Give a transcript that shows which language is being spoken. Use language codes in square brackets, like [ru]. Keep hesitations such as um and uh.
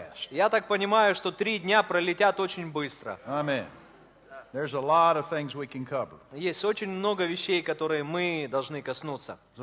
[ru] Я так понимаю, что три дня пролетят очень быстро. [en] Amen. There's a lot of things we can cover. [ru] Есть очень много вещей, которые мы должны коснуться.